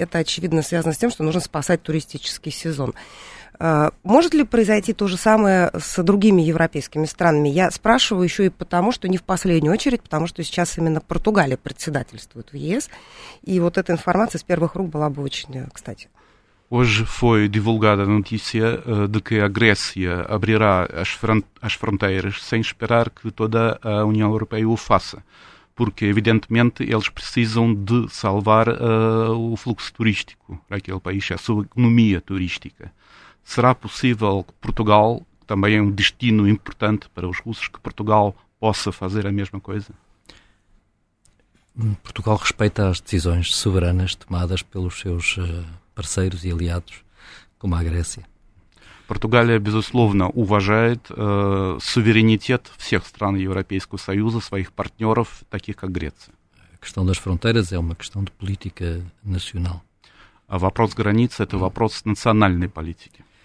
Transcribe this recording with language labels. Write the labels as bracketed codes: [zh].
[ru] Это, очевидно, связано с тем, что нужно спасать туристический сезон. Может ли произойти то же самое с другими европейскими странами? Я спрашиваю еще и потому, что не в последнюю очередь, потому что сейчас именно Португалия председательствует в ЕС, и вот эта информация с первых рук была бы очень кстати. [pt] Hoje foi divulgada a notícia de que a Grécia abrirá as fronteiras sem esperar que toda a União Europeia o faça, porque evidentemente eles precisam de salvar o fluxo turístico para aquele país, a sua economia turística. Será possível que Portugal, que também é um destino importante para os russos, que Portugal possa fazer a mesma coisa? Portugal respeita as decisões soberanas tomadas pelos seus parceiros e aliados, como a Grécia. [ru] Portugal, безусловно, уважает суверенитет всех стран Европейского Союза, своих партнеров, таких как Греция. [pt] A questão das fronteiras é uma questão de política nacional. [ru] A вопрос границ это вопрос национальной политики.